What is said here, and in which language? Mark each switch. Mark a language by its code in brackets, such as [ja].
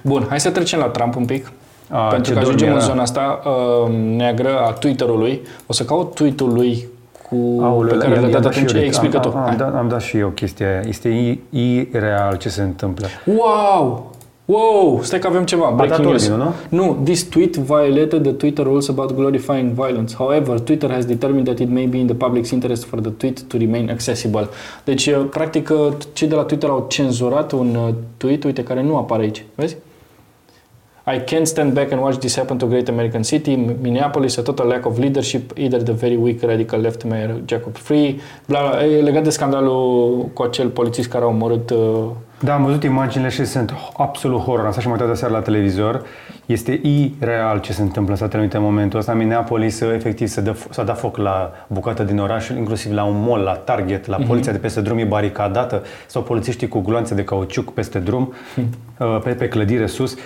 [ro] Bun, hai să trecem la Trump un pic, pentru că ajungem în zona asta neagră a Twitter-ului. O să caut tweet-ul lui pe care l-a dat atunci, explică tu. Am dat și eu chestia aia. Este ireal ce se întâmplă. Wow! Wow, stai că avem ceva. [en] Breaking news. [ro] Nu, [en] this tweet violated the Twitter rules about glorifying violence. However, Twitter has determined that it may be in the public's interest for the tweet to remain accessible. [ro] Deci, practic, cei de la Twitter au cenzurat un tweet, uite, care nu apare aici. Vezi? [en] I can't stand back and watch this happen to great American city, Minneapolis, a total lack of leadership, either the very weak radical left mayor Jacob Free, bla, bla. [ro] E legat de scandalul cu acel polițist care a omorât... Da, am văzut imaginile și sunt absolut horror. Am stat și m-am uitat aseară la televizor. Este ireal ce se întâmplă în Statele Unite în momentul ăsta. Minneapolis efectiv s-a dat foc la bucată din oraș, inclusiv la un mall, la Target, la poliția de peste drum, e baricadată, sau polițiștii cu gloanțe de cauciuc peste drum, pe clădire sus.